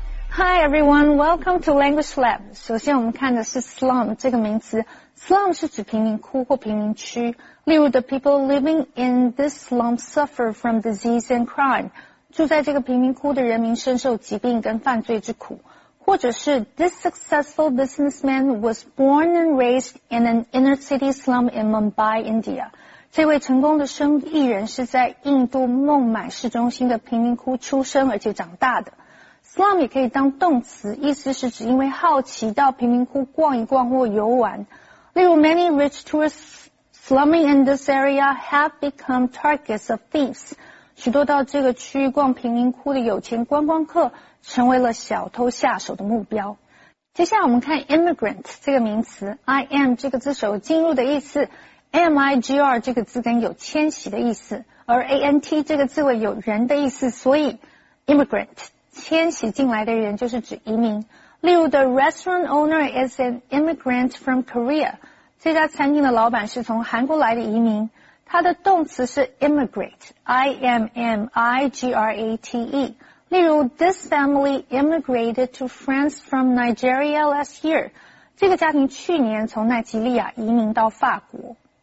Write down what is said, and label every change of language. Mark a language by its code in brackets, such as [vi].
[en] Hi everyone, welcome to Language Lab. [zh] 首先我们看的是 slum 这个名词。 Slum 是指贫民窟或贫民区。例如 [en] the people living in this slum suffer from disease and crime. [zh] 住在这个贫民窟的人民深受疾病跟犯罪之苦。或者是 [en] this successful businessman was born and raised in an inner city slum in Mumbai, India. [zh] 这位成功的生意人是在印度孟买市中心的贫民窟出生而且长大的。 Slum 也可以当动词，意思是指因为好奇到贫民窟逛一逛或游玩。例如 [en] ,many rich tourists slumming in this area have become targets of thieves. [zh] 许多到这个区域逛贫民窟的有钱观光客成为了小偷下手的目标。接下来我们看 immigrant 这个名词 ,I am 这个字首进入的意思 ,M-I-G-R 这个字根有迁徙的意思，而 A-N-T 这个字尾有人的意思，所以 immigrant。迁徙进来的人就是指移民。例如 [en] ,the restaurant owner is an immigrant from Korea. [zh] 这家餐厅的老板是从韩国来的移民。它的动词是 immigrate,I-M-M-I-G-R-A-T-E。例如 [en] ,this family immigrated to France from Nigeria last year. [zh] 这个家庭去年从奈及利亚移民到法国。